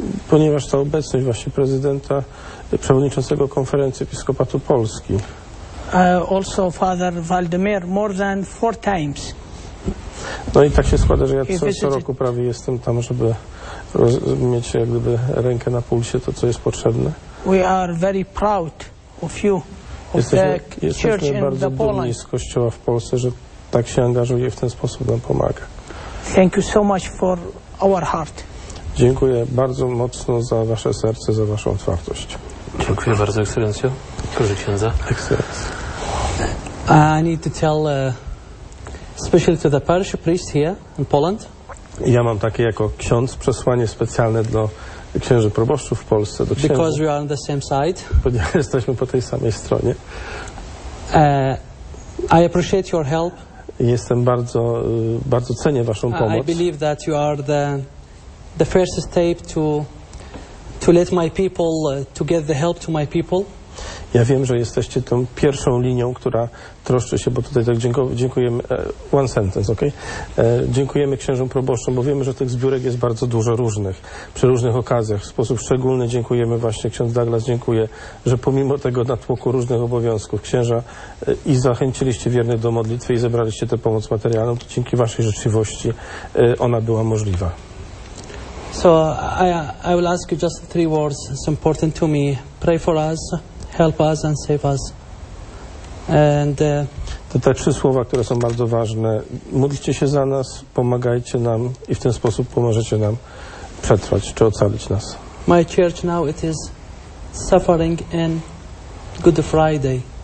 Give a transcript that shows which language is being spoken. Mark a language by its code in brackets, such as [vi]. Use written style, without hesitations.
[pl] Ponieważ ta obecność właśnie prezydenta, przewodniczącego Konferencji Episkopatu Polski. [en] Also Father Waldemar more than four times. [pl] No i tak się składa, że ja co roku prawie jestem tam, żeby mieć jak gdyby rękę na pulsie to, co jest potrzebne. [en] We are very proud of you, of [pl] jesteśmy bardzo dumni z Kościoła w Polsce, że tak się angażuje i w ten sposób nam pomaga. [en] Thank you so much for our heart. [pl] Dziękuję bardzo mocno za wasze serce, za waszą otwartość. Dziękuję bardzo, ekscelencjo. Proszę księdza. Ekscelencjo. [en] I need to tell especially to the parish priest here in Poland. [pl] Ja mam takie jako ksiądz przesłanie specjalne do księży proboszczów w Polsce, do księży. [en] Because we are on the same side. [pl] Ponieważ jesteśmy po tej samej stronie. [en] I appreciate your help. [pl] Jestem bardzo, bardzo cenię waszą pomoc. [en] I believe that you are the first step to let my people to get the help to my people. [pl] Ja wiem, że jesteście tą pierwszą linią, która troszczy się, bo tutaj tak dziękujemy, [en] one sentence, okay? [pl] Dziękujemy księżom proboszczom, bo wiemy, że tych zbiórek jest bardzo dużo różnych, przy różnych okazjach. W sposób szczególny dziękujemy właśnie, ksiądz Douglas dziękuję, że pomimo tego natłoku różnych obowiązków księża i zachęciliście wiernych do modlitwy i zebraliście tę pomoc materialną, to dzięki waszej życzliwości ona była możliwa. [en] So I will ask you just three words, it's important to me, pray for us. Help us and save us. And [pl] to te trzy słowa, które są bardzo ważne. Módlcie się za nas, pomagajcie nam i w ten sposób pomożecie nam przetrwać czy ocalić nas. [en] My church now it is suffering in Good Friday.